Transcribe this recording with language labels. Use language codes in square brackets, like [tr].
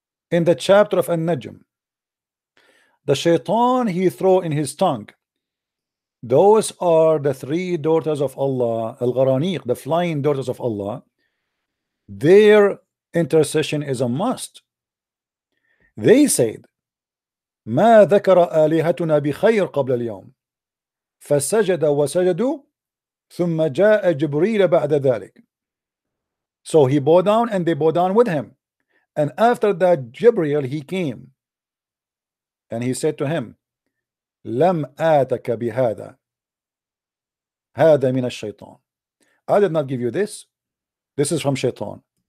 [en] in the chapter of An-Najm, the shaitan he throw in his tongue, those are the three daughters of Allah, Al-Gharaniq, the flying daughters of Allah, their intercession is a must. [ar] They said, ما ذكر آلهتنا بخير قبل اليوم فسجد وسجد ثم جاء جبريل بعد ذلك. [en] So he bowed down and they bowed down with him. And after that, Jibreel, he came. And he said to him, [ar] لم آتك بهذا. هذا من الشيطان. [en] I did not give you this. This is from Shaitan.